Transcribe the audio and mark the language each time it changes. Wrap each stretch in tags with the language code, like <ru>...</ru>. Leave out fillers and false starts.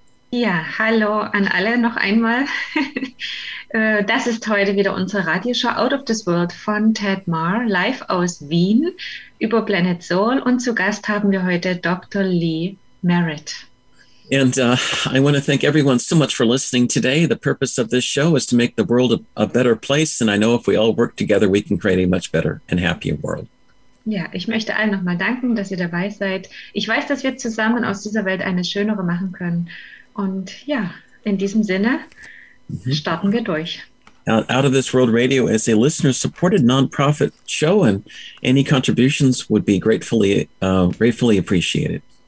<de>Ja, hallo an alle noch einmal. Das ist heute wieder unsere Radioshow Out of This World von Tadmar, live aus Wien über Planet Soul. Und zu Gast haben wir heute Dr. Lee Merritt.</de> <en>And I want to thank everyone so much for listening today. The purpose of this show is to make the world a better place. And I know if we all work together, we can create a much better and happier world.</en> <de>Ja, ich möchte allen nochmal danken, dass ihr dabei seid. Ich weiß, dass wir zusammen aus dieser Welt eine schönere machen können. Und ja, in diesem Sinne starten wir durch.</de> <en>Out of This World Radio is a listener-supported non-profit show and any contributions would be gratefully appreciated.</en>